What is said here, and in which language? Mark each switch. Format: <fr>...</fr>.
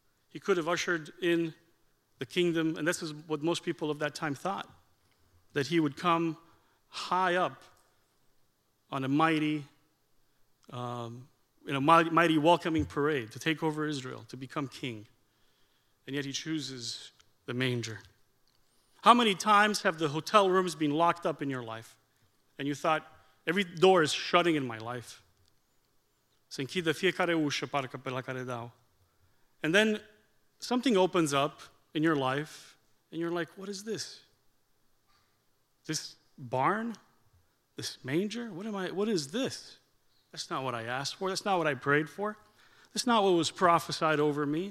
<en>He could have ushered in the kingdom, and this is what most people of that time thought, that he would come high up on a mighty, in a mighty welcoming parade to take over Israel, to become king. And yet he chooses the manger. How many times have the hotel rooms been locked up in your life? And you thought, every door is shutting in my life.</en> <ro>Se închide fiecare ușă parcă pe la care dau.</ro> <en>And then something opens up in your life, and you're like, what is this? This barn? This manger? What is this? That's not what I asked for. That's not what I prayed for. That's not what was prophesied over me.</en>